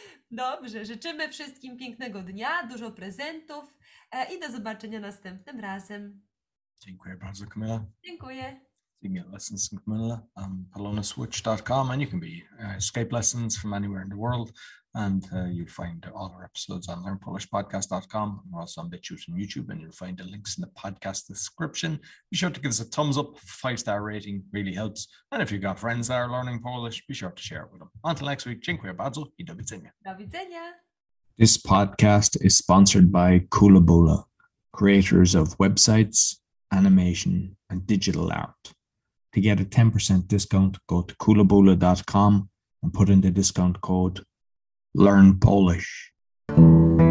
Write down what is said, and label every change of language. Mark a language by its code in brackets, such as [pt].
[pl] Dobrze, życzymy wszystkim pięknego dnia, dużo prezentów i do zobaczenia następnym razem. Dziękuję bardzo, Kamila. Dziękuję. [en] You can get lessons from Camilla on palonaswitch.com, and you can be Skype lessons from anywhere in the world. And you'll find all our episodes on learnpolishpodcast.com. We're also on BitChute and YouTube, and you'll find the links in the podcast description. Be sure to give us a thumbs up, 5-star rating really helps. And if you've got friends that are learning Polish, be sure to share it with them. Until next week, [pl] dziękuję bardzo i do widzenia. Do widzenia. [en] This podcast is sponsored by Koolaboola, creators of websites, animation, and digital art. To get a 10% discount, go to koolaboola.com and put in the discount code LearnPolish.